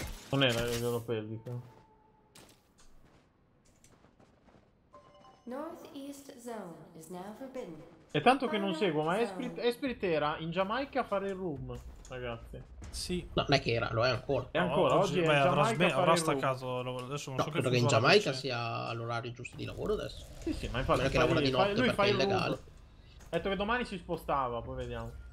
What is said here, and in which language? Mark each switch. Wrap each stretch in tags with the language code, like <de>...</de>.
<it>Non era a livello pelvico.</it> <en>Northeast zone is now forbidden.</en> <it>È tanto che non seguo, ma Esprit era in Giamaica a fare il room, ragazzi. Sì. No, non è che era, lo è ancora. È ancora, oggi è in Giamaica. Avrà staccato, adesso non no, so che credo che in Giamaica sia l'orario giusto di lavoro adesso. Sì, sì, ma infatti che lavora di notte lui perché è illegale. Ha detto che domani si spostava, poi vediamo.</it>